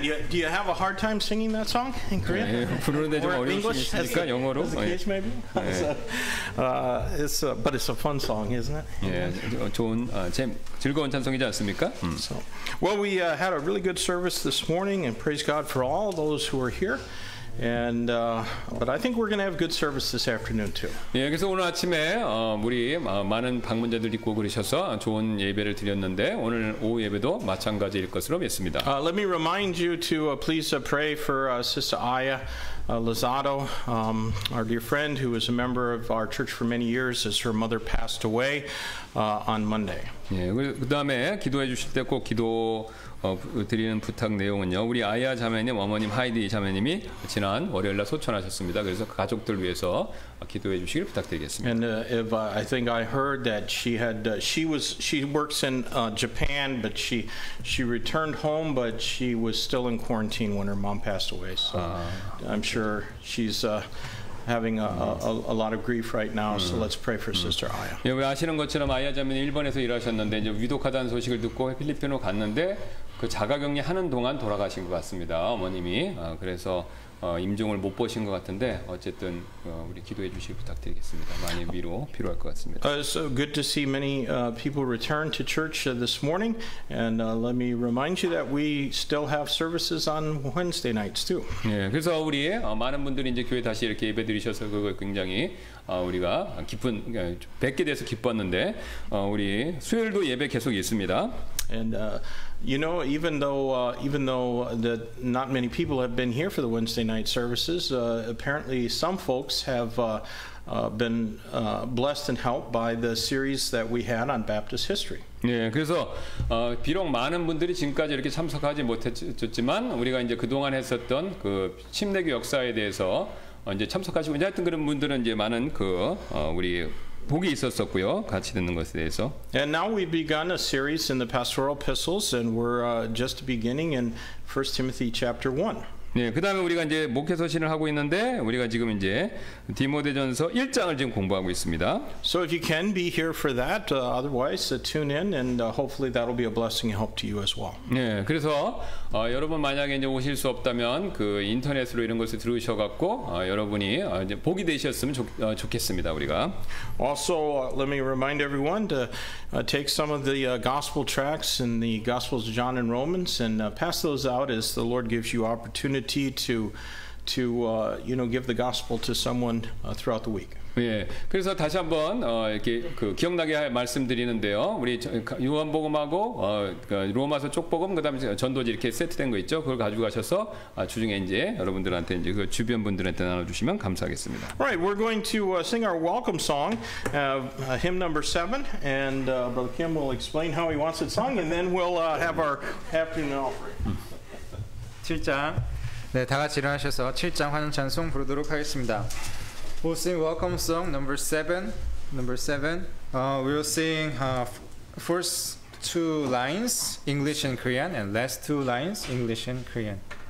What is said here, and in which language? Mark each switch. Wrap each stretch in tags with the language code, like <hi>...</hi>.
<en>Do you have a hard time singing that song in Korean?</en> <ko>네, 부르는데 좀 어려우시니까 영어로.</ko> <en>English maybe. 네. But it's a fun song, isn't it?</en> <ko>예, 네, 좋은 즐거운 찬송이지 않습니까?</ko> <en>So, well, we had a really good service this morning, and praise God for all those who are here. And but I think we're going to have good service this afternoon too.</en> <ko>예, 그래서 오늘 아침에 우리 많은 방문자들이 꼭 그러셔서 좋은 예배를 드렸는데 오늘 오후 예배도 마찬가지일 것으로 믿습니다.</ko> <en>Let me remind you to please pray for Sister Aya Lozado, our dear friend who was a member of our church for many years as her mother passed away on Monday.</en> <ko>예, 그다음에 기도해 주실 때 꼭 기도 드리는 부탁 내용은요. 우리 아야 자매님, 어머님 하이디 자매님이 지난 월요일 날 소천하셨습니다. 그래서 가족들 위해서 기도해 주시길 부탁드리겠습니다.</ko> <en>And if I think I heard that she had she works in Japan but she returned home but she was still in quarantine when her mom passed away. So 아, I'm sure she's having a lot of grief right now. So let's pray for Sister Aya.</en> <ko>예, 왜 아시는 것처럼 아야 자매님 일본에서 일하셨는데 이제 위독하다는 소식을 듣고 필리핀으로 갔는데 그 자가격리 하는 동안 돌아가신 것 같습니다. 어머님이 그래서 임종을 못 보신 것 같은데 어쨌든 우리 기도해 주시길 부탁드리겠습니다. 많이 위로 필요할 것 같습니다.</ko> <en>So good to see many people return to church this morning, and let me remind you that we still have services on Wednesday nights too.</en> <ko>예, 그래서 우리 많은 분들이 이제 교회 다시 이렇게 예배드리셔서 그걸 굉장히 우리가 기쁜 뵙게 돼서 기뻤는데 우리 수요일도 예배 계속 있습니다.</ko> <en>And you know, even though that not many people have been here for the Wednesday night services, apparently some folks have been blessed and helped by the series that we had on Baptist history.</en> <ko>네, 그래서 비록 많은 분들이 지금까지 이렇게 참석하지 못했지만 우리가 이제 그동안 했었던 그 침례교 역사에 대해서 이제 참석하시고 이제 하여튼 그런 분들은 이제 많은 그 우리 복이 있었었고요. 같이 듣는 것에 대해서.</ko> <en>And now we've begun a series in the pastoral epistles and we're just beginning in 1 Timothy chapter 1.</en> <ko>네, 그다음에 우리가 이제 목회 서신을 하고 있는데 우리가 지금 이제 디모데전서 1장을 지금 공부하고 있습니다.</ko> <en>So if you can be here for that, otherwise tune in and hopefully that'll be a blessing and help to you as well.</en> <ko>네, 그래서 여러분 만약에 이제 오실 수 없다면 그 인터넷으로 이런 것을 들으셔 갖고 여러분이 이제 복이 되셨으면 좋겠습니다, 우리가.</ko> <en>Also let me remind everyone to take some of the gospel tracts in the Gospels of John and Romans and pass those out as the Lord gives you opportunity to to you know give the gospel to someone throughout the week.</en> <ko>예, 그래서 다시 한번 이렇게 그 기억나게 할 말씀드리는데요. 우리 요한복음하고 로마서 쪽복음 그다음에 전도지 이렇게 세트된 거 있죠. 그걸 가지고 가셔서 주중에 이제 여러분들한테 이제 그 주변 분들한테 나눠주시면 감사하겠습니다.</ko> <en>Right, we're going to sing our welcome song, hymn number 7, and Brother Kim will explain how he wants it sung, and then we'll have our afternoon offering.</en> <ko>7장, 네, 다 같이 일어나셔서 7장 환영 찬송 부르도록 하겠습니다.</ko> <en>We'll sing welcome song number 7. We will sing first two lines English and Korean and last two lines English and Korean.</en>